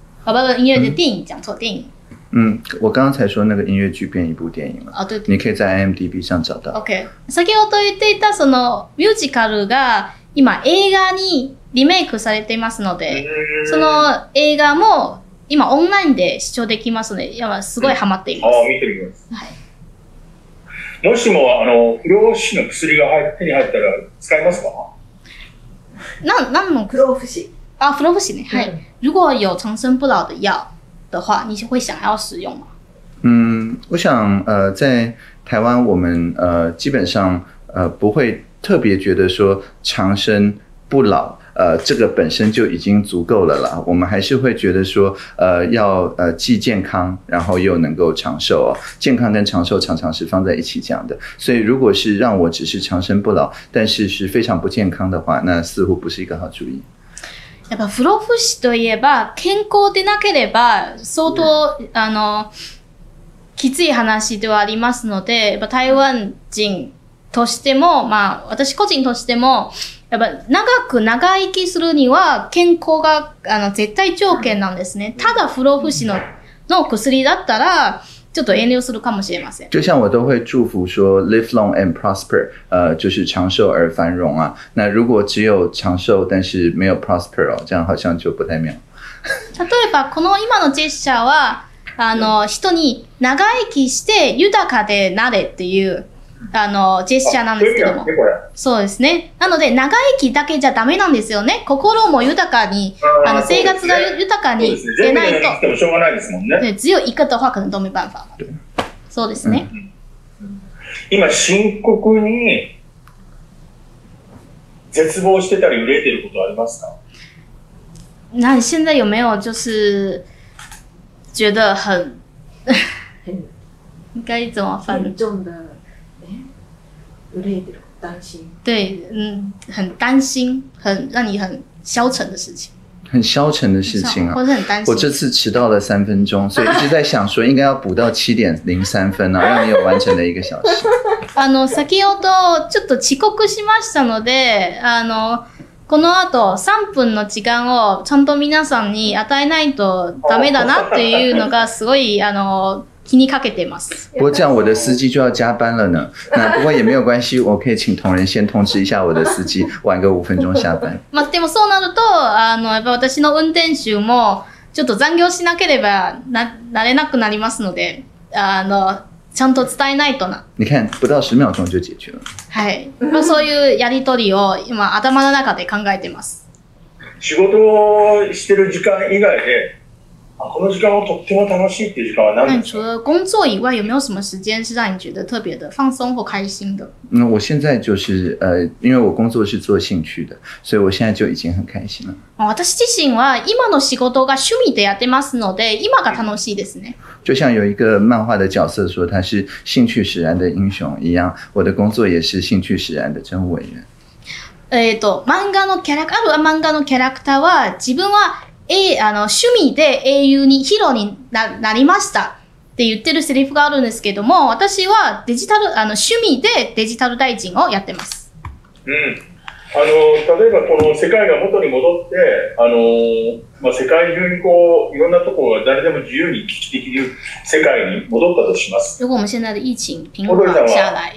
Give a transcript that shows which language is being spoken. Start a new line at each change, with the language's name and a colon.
Chinese: 好吧，音乐的电影讲错电影。我刚才说那个音乐剧变一部电影了。啊，对。你可以在 IMDB 上找到。 OK。
Japanese: 先ほど言っていたそのミュージカルが今映画にリメイクされていますので、その映画も今オンラインで視聴できますので、すごいハマっています。ああ、見てみます。はい。もしも不老不死の薬が手に入ったら使いますか？何の不老不死？
Chinese: 啊，不老不死呢？
Japanese: はい。
Chinese: 如果有长生不老的药的话，你会想要使用吗？我想在台湾我们基本上不会特别觉得说长生不老这个本身就已经足够了啦，我们还是会觉得说要既健康然后又能够长寿哦，健康跟长寿常常是放在一起讲的，所以如果是让我只是长生不老但是是非常不健康的话，那似乎不是一个好主意。
Japanese: やっぱ不老不死といえば健康でなければ相当、きつい話ではありますので、やっぱ台湾人としても、まあ私個人としてもやっぱ長く長生きするには健康が絶対条件なんですね。ただ不老不死の薬だったらちょっと遠慮するかもしれません。
Chinese: 就像我都会祝福说
English: live long and prosper，
Chinese: 就是长寿而繁荣啊。那如果只有长寿但是没有 prosper 哦，这样好像就不太妙。
Japanese: 例えばこの今のジェスチャーは人に長生きして豊かでなれっていうジェスチャーなんですけども、そうですね、なので長生きだけじゃダメなんですよね。心も豊かに生活が豊かにでないと、ね、全部長生きしてもしょうがないですもんね。強い方は可能止め办法、そうですね、今深刻に絶望してたり憂えてることありますか？
Chinese: 那现在有没有就是觉得很应该怎么分重的对，很担心，很让你很消沉的事情，很消沉的事情啊，或者很担心。我这次迟到了三分钟，所以一直在想说应该要补到7:03啊，让你有完成的一个小时。
Japanese: 先ほどちょっと遅刻しましたので、このあと3分の時間をちゃんと皆さんに与えないとダメだなっていうのがすごい気にかけてます。
Chinese: 不过这样我的司机就要加班了呢。那不过也没有关系，我可以请同仁先通知一下我的司机，晚个五分钟下班。
Japanese: まあでもそうなると、やっぱ私の運転手もちょっと残業しなければなれなくなりますので、ちゃんと伝えないとな。
Chinese: 你看，不到十秒钟就解决了。
Japanese: はい。まあそういうやり取りを今頭の中で考えてます。仕事をしてる時間以外で。この時間をとっても楽しいっていう時間は何ですか？
Chinese: 除了工作以外、有没有什么时间是让你觉得特别的放松或开心的？我现在就是因为我工作是做兴趣的，所以我现在就已经很开心了。
Japanese: 私自身は今の仕事が趣味でやってますので、今が楽しいですね。
Chinese: 就像有一个漫画的角色说他是兴趣使然的英雄一样，我的工作也是兴趣使然的真委员。
Japanese: ある漫画のキャラクターは自分は趣味で英雄にヒーローに なりましたって言ってるセリフがあるんですけども、私はデジタル趣味でデジタル大臣をやってます。例えばこの世界が元に戻って世界中にこういろんなところが誰でも自由に聞きできる世界に戻ったとします。
Chinese: 如果我们现在的疫情平稳下来，